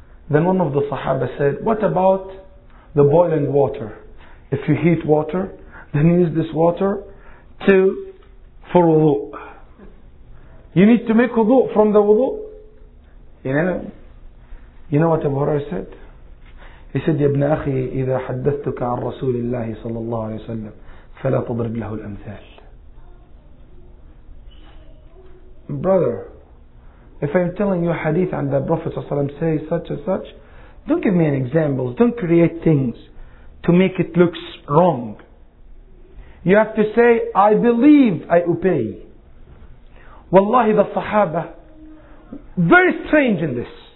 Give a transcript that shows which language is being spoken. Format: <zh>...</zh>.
<en>Then one of the Sahaba said, what about the boiling water? If you heat water, then use this water for wudu. You need to make wudu from the wudu. You know what Abu Hurairah said?</en> <ar>He said, يا ابن أخي إذا حدثتك عن رسول الله صلى الله عليه وسلم فلا تضرب له الأمثال.</ar> <en>Brother, if I'm telling you a hadith and the Prophet</en> <ar>صلى الله عليه وسلم</ar> <en>say such and such, don't give me an example. Don't create things to make it look wrong. You have to say, I believe, I obey. Wallahi, the Sahaba, very strange in this.</en>